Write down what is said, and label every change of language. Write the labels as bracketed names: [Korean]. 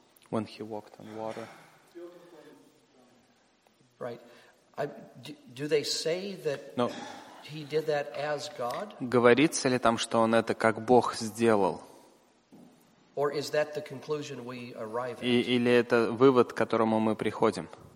[English] When he walked on water. Right. Do they say that no. he did that as God? [Russian] Говорится ли там, что он это как Бог сделал? [English] Or is that the conclusion we arrive at? [Russian] Или это вывод, к которому мы приходим?